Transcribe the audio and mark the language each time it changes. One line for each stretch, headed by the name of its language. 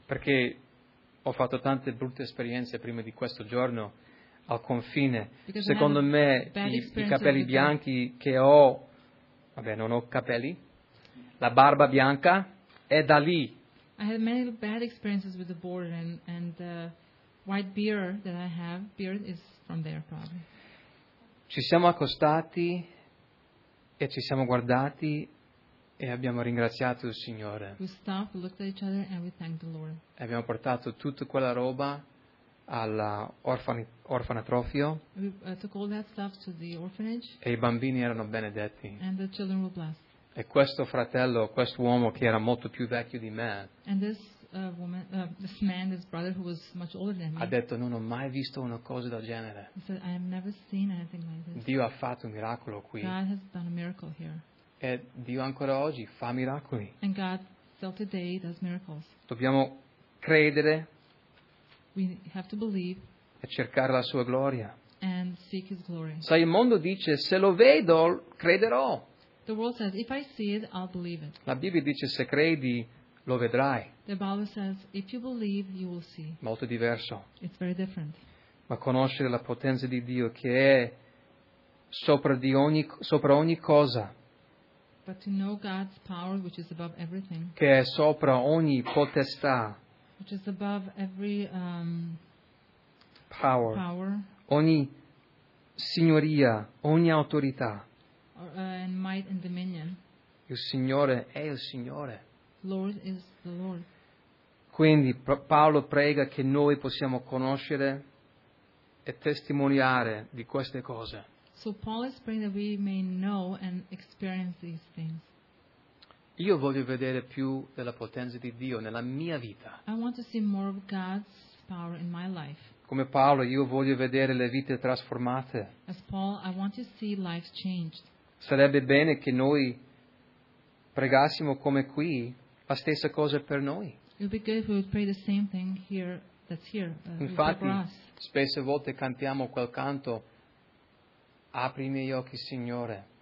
Italian: Perché ho fatto tante brutte esperienze prima di questo giorno al confine.
English: Because
Italian: secondo me I capelli bianchi che ho, vabbè, non ho capelli, la barba bianca è da lì.
English: I had many bad experiences with the border and the white beard is from there probably.
Italian: Ci siamo accostati e ci siamo guardati e abbiamo ringraziato il Signore.
English: We stopped, looked at each other and we thanked the Lord.
Italian: E abbiamo portato tutta quella roba all'orfanotrofio.
English: We took all that stuff to the orphanage.
Italian: E i bambini erano benedetti.
English: And the children were blessed.
Italian: E questo fratello, questo uomo che era molto più vecchio di me, ha detto, non ho mai visto una cosa del genere.
English: He said, I have never seen anything like this.
Italian: Dio ha fatto un miracolo qui.
English: God has done a miracle here.
Italian: E Dio ancora oggi fa miracoli.
English: And God still today does miracles.
Italian: Dobbiamo credere.
English: We have to believe.
Italian: E cercare la sua gloria.
English: And seek his glory.
Italian: Sai, il mondo dice, se lo vedo, crederò.
English: The world says, if I see it, I'll believe it.
Italian: La Bibbia dice, se credi, lo vedrai.
English: The Bible says, if you believe, you will see.
Italian: Molto diverso.
English: It's very different.
Italian: Ma conoscere la potenza di Dio che è sopra ogni cosa.
English: But to know God's power, which is above everything.
Italian: Che è sopra ogni potestà.
English: Which is above every
Italian: power. Ogni signoria, ogni autorità.
English: And might and dominion.
Italian: Il Signore è il Signore.
English: Lord is the Lord.
Italian: Quindi Paolo prega che noi possiamo conoscere e testimoniare di queste cose.
English: So Paul is praying that we may know and experience these things.
Italian: Io voglio vedere più della potenza di Dio nella mia vita.
English: I want to see more of God's power in my life.
Italian: Come Paolo, io voglio vedere le vite trasformate.
English: As Paul, I want to see lives changed.
Italian: sarebbe bene che noi pregassimo come qui la stessa cosa per noi.
English: It would be good if we would pray the same thing here, that's here.
Italian: Infatti, spesse volte cantiamo quel canto, apri i miei occhi, Signore.